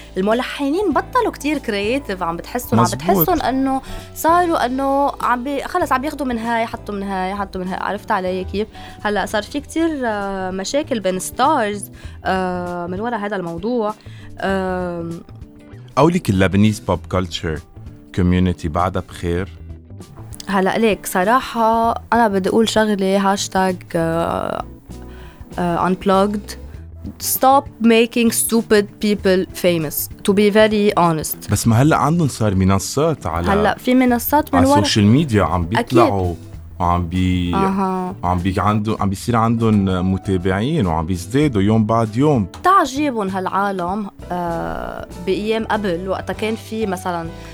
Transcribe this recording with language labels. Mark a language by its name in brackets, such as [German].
[Arabic] الملحنين بطلوا كتير كرييتيف، عم بتحسوا عم بتحسون انه صاروا انه عم خلص عم ياخذوا من هاي حطوا من هاي حطوا من هاي، عرفت علي كيف؟ هلا صار في كتير مشاكل بين ستارز من ورا هذا الموضوع. أقولك اللبنيز بوب كولتشر كوميونيتي بعدها بخير؟ هلا ليك صراحة أنا بدي أقول شغلة، هاشتاج [English] unplugged، stop making stupid people famous to be very honest. [Arabic] بس ما هلا عندهم صار منصات على هلا في منصات من على السوشيال ميديا عم بيطلعوا وعم بي عم بيصير عندهم متابعين وعم بيزدادوا يوم بعد يوم. تعجبهم هالعالم بأيام قبل وقتها كان في مثلا